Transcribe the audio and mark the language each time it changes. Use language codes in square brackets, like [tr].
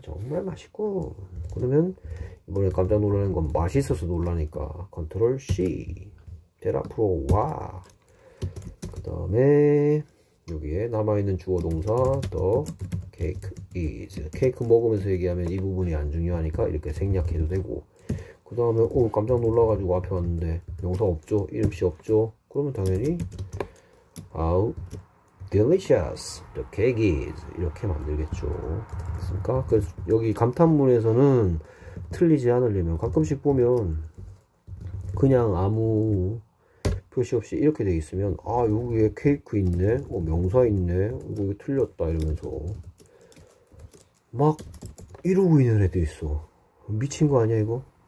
[ko] 정말 맛있군. 그러면 이번에 깜짝 놀라는 건 맛있어서 놀라니까 컨트롤 C 테라프로 와. 그다음에 여기에 남아있는 주어 동사 [en] 더 케이크 이즈. [ko] 케이크 먹으면서 얘기하면 이 부분이 안 중요하니까 이렇게 생략해도 되고. 그 다음에 오 깜짝 놀라가지고 앞에 왔는데 명사 없죠? 이름씨 없죠? 그러면 당연히 [en] How delicious the cake is [ko] 이렇게 만들겠죠. 그렇습니까? 그래서 여기 감탄문에서는 틀리지 않으려면 가끔씩 보면 그냥 아무 표시 없이 이렇게 돼 있으면 아 여기에 케이크 있네, 명사 있네, 이거 틀렸다 이러면서 막 이러고 있는 애도 있어. 미친 거 아니야 이거?